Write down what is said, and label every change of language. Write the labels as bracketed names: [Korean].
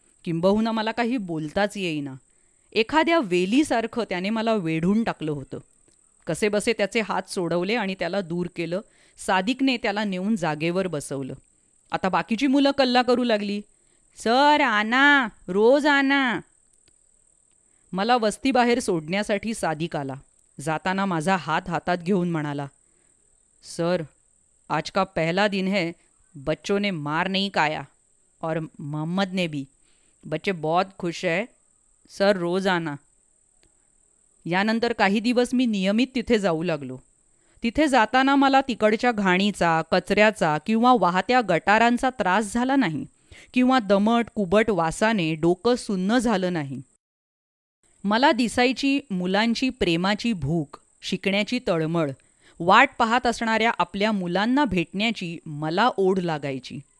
[Marathi] किंबहुना मला काही बोलताच येईना. एखाद्या वेलीसारखं त्याने मला वेढून टाकलं होतं. कसेबसे त्याचे हात सोडवले आणि त्याला दूर केलं. सादिकने त्याला नेऊन जागेवर बसवलं. आता बाकीची मुलं कल्ला करू लागली, [Hindi] सर आना, रोज आना. [Marathi] मला वस्तीबाहेर सोडण्यासाठी सादिक आला. जाताना माझा हात हातात घेऊन म्हणाला, [Hindi] सर आज का पहला दिन है, बच्चों ने मार नहीं काया और मोहम्मद ने भी, बच्चे बहुत खुश है, सर रोज आना. [Marathi] यानंतर काही दिवस मी नियमित तिथे जाऊ लागलो. तिथे जाताना मला तिकडच्या घाणीचा, कचऱ्याचा किंवा वाहत्या गटारांचा त्रास झाला नाही किंवा दमट कुबट वासाने डोकं सुन्न झालं नाही. मला दिसायची मुलांची प्रेमाची भूक, शिकण्याची तळमळ, वाट पाहत असणाऱ्या आपल्या मुलांना भेटण्याची मला ओढ लागायची.